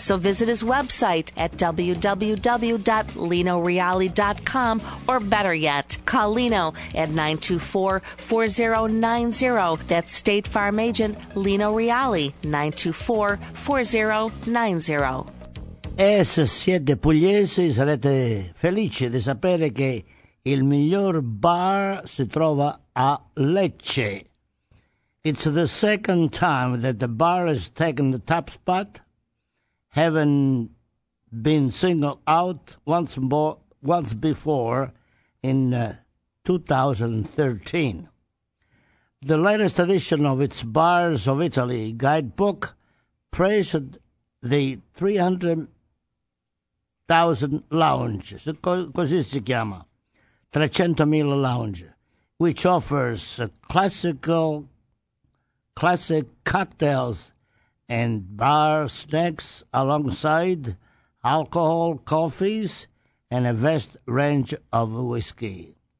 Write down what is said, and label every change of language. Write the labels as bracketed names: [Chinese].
[English] So visit his website at www.linorialli.com or better yet, call Lino at 924-4090. That's State Farm agent Lino Rialli, 924-4090. [Italian] E se siete pugliesi sarete felici di sapere che il miglior bar si trova a Lecce. [English] It's the second time that the bar has taken the top spot, having been singled out once before in 2013. The latest edition of its Bars of Italy guidebook praised the 300,000 lounge, [Italian] così si chiama, [English] 300,000 lounge, which offers classic cocktails and bar snacks alongside alcohol, coffees, and a vast range of whiskey.